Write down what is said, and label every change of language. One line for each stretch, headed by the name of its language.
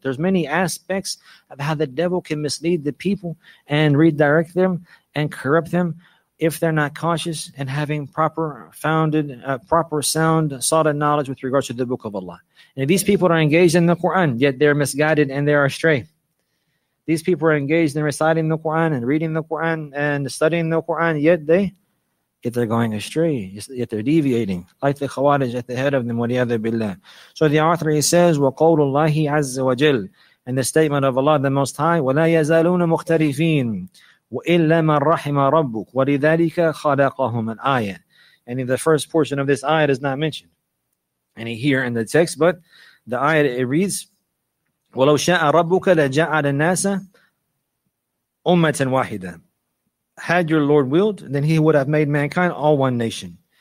English: There's many aspects of how the devil can mislead the people and redirect them and corrupt them if they're not cautious and having proper, sound, solid knowledge with regards to the book of Allah. And if these people are engaged in the Quran, yet they're misguided and they're astray. These people are engaged in reciting the Quran and reading the Quran and studying the Quran, yet they're going astray, yet they're deviating, like the Khawarij at the head of them, waliyadhu billah. So the author, he says,
Arabic: وَقَوْلُ اللَّهِ عَزَّ وَجَلْ,
English: and the statement of Allah the Most High,
Arabic: وَلَا يَزَالُونَ مُخْتَرِفِينَ وَإِلَّا مَنْ رَحِمَ رَبُّكُ وَلِذَلِكَ خَلَقَهُمْ الْآيَةِ.
English: And in the first portion of this ayah is not mentioned any here in the text, but the ayah, it reads,
Arabic: وَلَوْ شَاءَ رَبُّكَ لَجَعَلَ النَّاسَ أُمَّةً وَاحِدًا.
English: Had your Lord willed, then He would have made mankind all one nation.